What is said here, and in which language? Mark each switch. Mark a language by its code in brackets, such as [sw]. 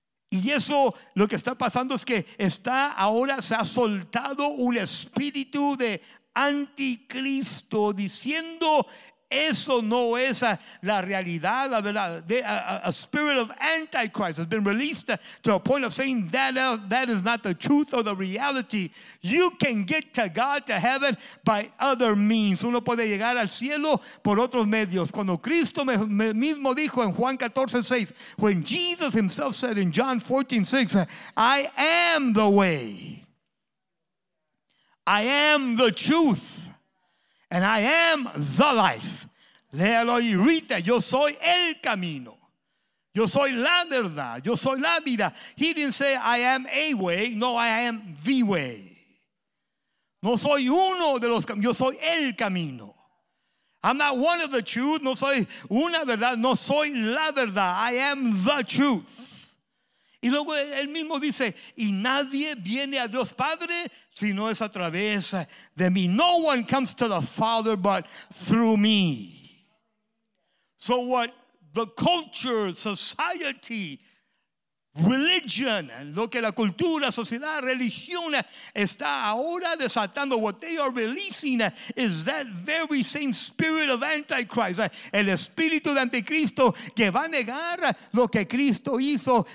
[es] Y eso, lo que está pasando es que está ahora, se ha soltado un espíritu de anticristo diciendo eso no es la realidad, la verdad. [en] A spirit of antichrist has been released to a point of saying that is not the truth or the reality. You can get to God, to heaven, by other means. [es] Uno puede llegar al cielo por otros medios. Cuando Cristo mismo dijo en Juan 14:6, [en] when Jesus himself said in John 14:6, I am the way, I am the truth, and I am the life. [es] Léalo y Rita, yo soy el camino. Yo soy la verdad. Yo soy la vida. [en] He didn't say I am a way. No, I am the way. [es] No soy uno de los caminos. Yo soy el camino. [en] I'm not one of the truth. [es] No soy una verdad. No soy la verdad. [en] I am the truth. [es] Y luego él mismo dice, y nadie viene a Dios Padre si no es a través de mí. [en] No one comes to the Father but through me. So what the culture, society, religion, [es] lo que la cultura, sociedad, religión está ahora desatando, [en] what they are releasing is that very same spirit of antichrist, [es] el espíritu de anticristo que va a negar lo que Cristo hizo.